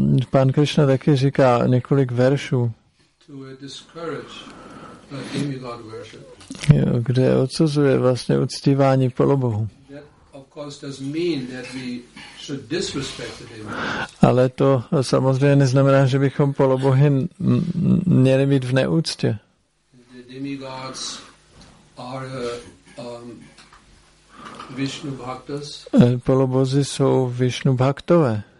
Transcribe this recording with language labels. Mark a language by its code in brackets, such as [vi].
[cs] Pán Krishna taky říká několik veršů. [en] To discourage demigod worship. [cs] Kde odsuzuje vlastně uctívání polobohu. [en] Of course, does mean that we should disrespect the demigods. [cs] Ale to samozřejmě neznamená, že bychom polobohy měli být v neúctě. [en] The demigods are Vishnu bhaktas. [cs] Polobozy jsou Vishnu bhaktové.